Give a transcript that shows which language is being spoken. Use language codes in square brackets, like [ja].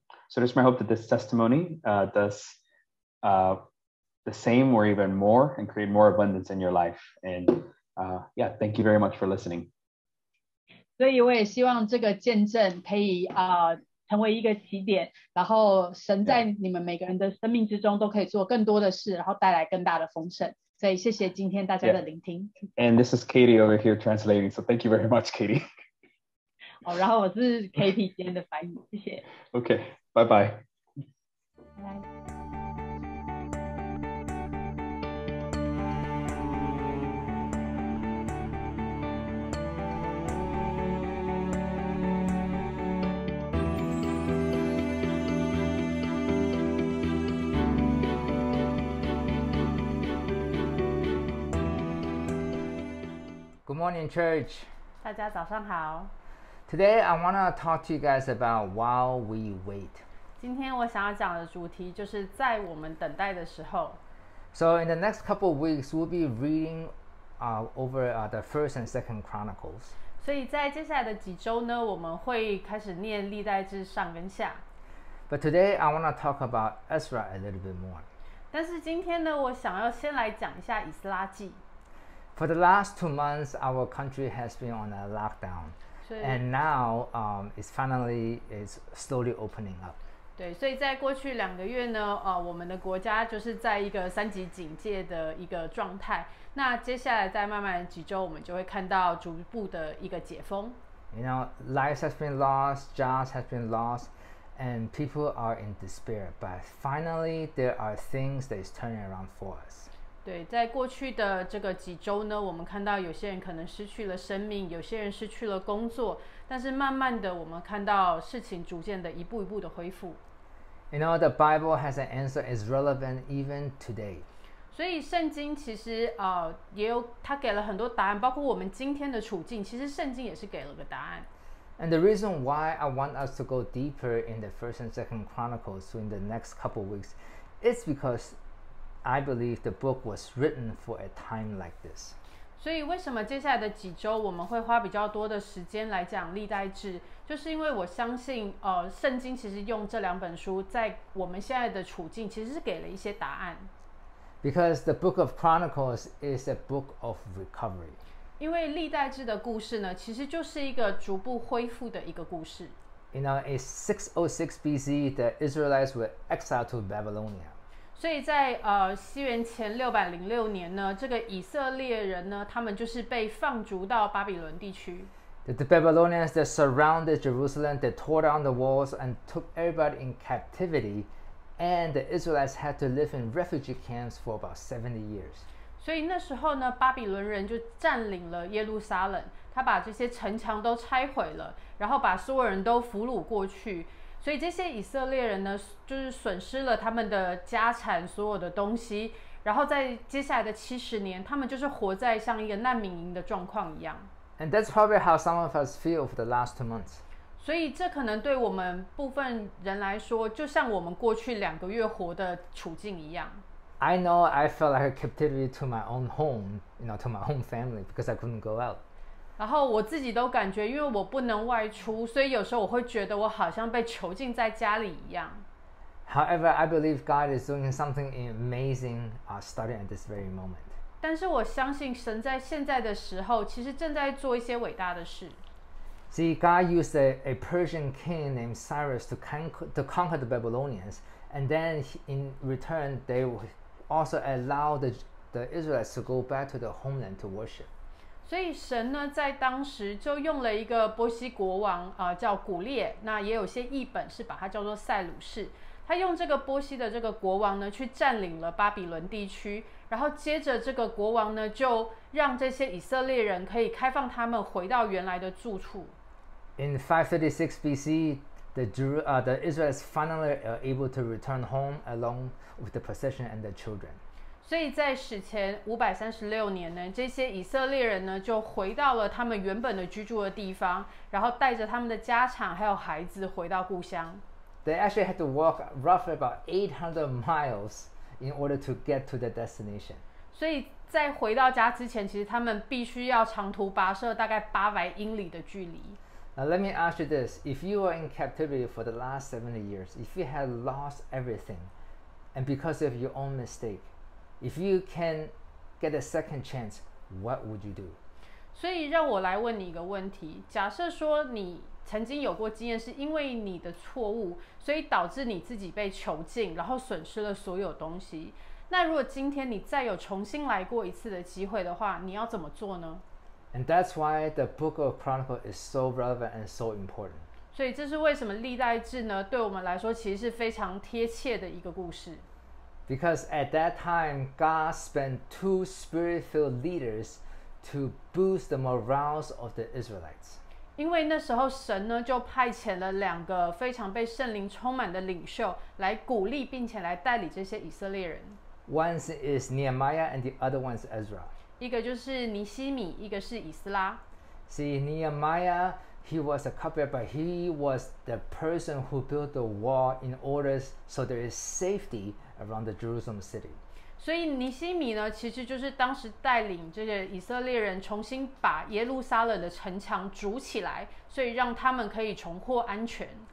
[en] So it's my hope that this testimony does the same or even more and create more abundance in your life. And thank you very much for listening. [zh] 所以我也希望这个见证可以成为一个起点，然后神在你们每个人的生命之中都可以做更多的事，然后带来更大的丰盛。所以谢谢今天大家的聆听。 [en] And this is Katie over here translating, so thank you very much, Katie. [zh] 好，然后我是 Katie 今天的翻译，谢谢。 OK， 拜拜。 [en] Good morning, Church. [zh] 大家早上好。 [en] Today, I want to talk to you guys about while we wait. [zh] 今天我想要讲的主题就是在我们等待的时候。 [en] So in the next couple of weeks, we'll be reading over the First and Second Chronicles. [zh] 所以在接下来的几周呢，我们会开始念历代志上跟下。 [en] But today, I want to talk about Ezra a little bit more. [zh] 但是今天呢，我想要先来讲一下以斯拉记。 [en] For the last 2 months, our country has been on a lockdown, and now it's slowly opening up. [zh] 对，所以在过去两个月呢，我们的国家就是在一个三级警戒的一个状态。那接下来在慢慢几周，我们就会看到逐步的一个解封。 [en] You know, lives have been lost, jobs have been lost, and people are in despair. But finally, there are things that is turning around for us. [zh] 对，在过去的这个几周呢，我们看到有些人可能失去了生命，有些人失去了工作，但是慢慢的我们看到事情逐渐的一步一步的恢复。 [en] You know, the Bible has an answer is relevant even today. [zh] 所以圣经其实也有它给了很多答案，包括我们今天的处境，其实圣经也是给了个答案。 [en] And the reason why I want us to go deeper in the First and Second Chronicles in the next couple weeks is becauseI believe the book was written for a time like this. [zh] 所以为什么接下来的几周我们会花比较多的时间来讲历代志，就是因为我相信圣经其实用这两本书在我们现在的处境其实是给了一些答案。 [en] Because the book of Chronicles is a book of recovery. [zh] 因为历代志的故事呢，其实就是一个逐步恢复的一个故事。 [en] You know, it's 606 BC, the Israelites were exiled to Babylonia. [zh] 所以在西元前606年呢，这个以色列人呢，他们就是被放逐到巴比伦地区。 [en] The Babylonians that surrounded Jerusalem, they tore down the walls and took everybody in captivity, and the Israelites had to live in refugee camps for about 70 years. [zh] 所以那时候呢，巴比伦人就占领了耶路撒冷，他把这些城墙都拆毁了，然后把所有人都俘虏过去。所以这些以色列人呢，就是损失了他们的家产，所有的东西，然后在接下来的70年，他们就是活在像一个难民营的状况一样。 [en] And that's probably how some of us feel for the last 2 months. [zh] 所以这可能对我们部分人来说，就像我们过去两个月活的处境一样。 [en] I know I felt like a captivity to my own home, you know, to my own family, because I couldn't go out. [zh] 然后我自己都感觉因为我不能外出，所以有时候我会觉得我好像被囚禁在家里一样。 [en] However, I believe God is doing something amazing starting at this very moment. [zh] 但是我相信神在现在的时候其实正在做一些伟大的事。 [en] See, God used a Persian king named Cyrus to conquer the Babylonians, and then in return, they also allowed the Israelites to go back to their homeland to worship. [zh] 所以神呢，在当时就用了一个波西国王叫古列，那也有些译本是把他叫做塞鲁士。他用这个波西的这个国王呢，去占领了巴比伦地区，然后接着这个国王呢，就让这些以色列人可以开放他们回到原来的住处。 [en] In 536 BC, the Israelites finally are able to return home along with the possession and the children. [zh] 所以在史前536年呢，这些以色列人呢就回到了他们原本的居住的地方，然后带着他们的家产还有孩子回到故乡。 [en] They actually had to walk roughly about 800 miles in order to get to the destination. [zh] 所以在回到家之前，其实他们必须要长途跋涉大概800英里的距离。 [en] Now let me ask you this, if you were in captivity for the last 70 years, if you had lost everything, and because of your own mistake,If you can get a second chance, what would you do? [zh] 所以让我来问你一个问题，假设说你曾经有过经验是因为你的错误，所以导致你自己被囚禁，然后损失了所有东西，那如果今天你再有重新来过一次的机会的话，你要怎么做呢？ [en] And that's why the book of Chronicles is so relevant and so important. [zh] 所以这是为什么历代志呢？对我们来说其实是非常贴切的一个故事。 [en] Because at that time, God sent two spirit-filled leaders to boost the morale of the Israelites. [zh] 因为那时候神呢就派遣了两个非常被圣灵充满的领袖来鼓励并且来带领这些以色列人。 [en] One is Nehemiah and the other one is Ezra. [zh] 一个就是尼希米，一个是以斯拉。 [en] See, Nehemiah, he was a cupbearer, but he was the person who built the wall in order so there is safety around the Jerusalem city. [zh] 所以尼希米呢，其实就是当时带领这些以色列人重新把耶路撒冷的城墙筑起来，所以让他们可以重获安全。